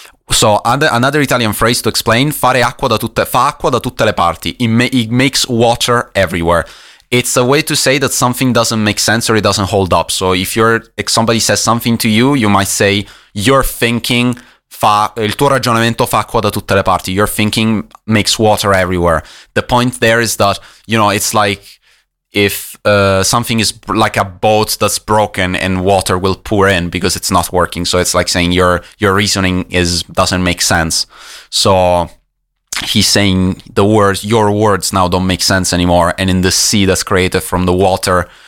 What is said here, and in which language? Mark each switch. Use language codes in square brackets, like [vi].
[en] So another Italian phrase to explain: [it] fare acqua da tutte, fa acqua da tutte le parti. [en] It makes water everywhere. It's a way to say that something doesn't make sense or it doesn't hold up. So if somebody says something to you, you might say you're thinking. [it] Il tuo ragionamento fa acqua da tutte le parti. [en] Your thinking makes water everywhere. The point there is that, you know, it's like if something is like a boat that's broken and water will pour in because it's not working. So it's like saying your reasoning doesn't make sense. So he's saying the words, your words now don't make sense anymore. And in the sea that's created from the water,